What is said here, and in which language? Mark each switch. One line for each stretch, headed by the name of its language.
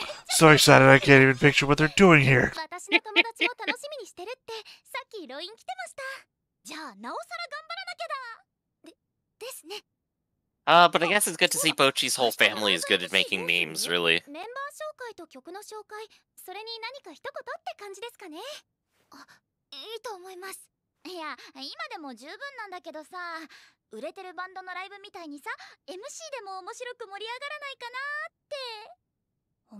English: So excited! I can't even picture what they're doing here.
Japanese: 私の友達も楽しみにしてるってさっきロイン来てました。じゃあなおさら頑張らなきゃだ。ですね。
English: But I guess it's good to see Bocchi's whole family is good at making memes, really.
Japanese: メンバー紹介と曲の紹介、それに何か一言って感じですかね。あ、いいと思います。いや、今でも十分なんだけどさ、売れてるバンドのライブみたいにさ、MC でも面白く盛り上がらないかなーって。